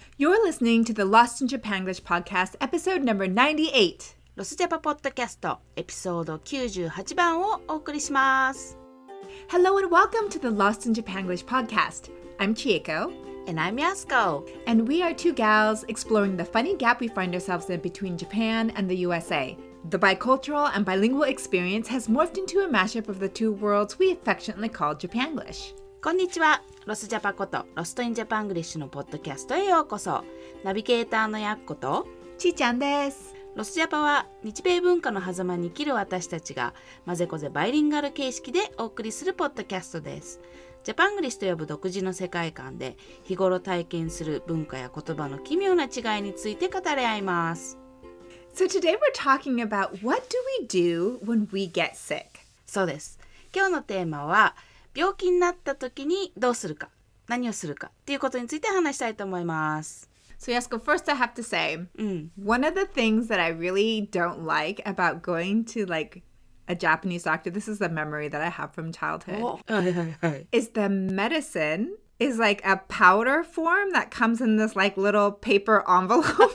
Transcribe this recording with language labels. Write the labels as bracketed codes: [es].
[en] You're listening to the Lost in Japanglish podcast, episode number 98. [ja] ロスジャパポッドキャスト、エピソード98番をお送りします。 [en] Hello and welcome to the Lost in Japanglish podcast. I'm Chieko. And I'm Yasuko. And we are two gals exploring the funny gap we find ourselves in between Japan and the USA. The bicultural and bilingual experience has morphed into a mashup of the two worlds we affectionately call Japanglish. [ja] こんにちは。ロスジャパこと、ロストインジャパングリッシュのポッドキャストへようこそ。ナビゲーターのやっこと、ちーちゃんです。ロスジャパは、日米文化の狭間に生きる私たちが、まぜこぜバイリンガル形式でお送りするポッドキャストです。ジャパングリッシュと呼ぶ独自の世界観で、日頃体験する文化や言葉の奇妙な違いについて語り合います。 [en] So today we're talking about what do we do when we get sick? [ja] そうです。今日のテーマは、病気になった時にどうするか、何をするかっていうことについて話したいと思います。 [en] So Yasuko, first I have to say, one of the things that I really don't like about going to like a Japanese doctor, this is a memory that I have from childhood, is the medicine is like a powder form that comes in this like little paper envelope.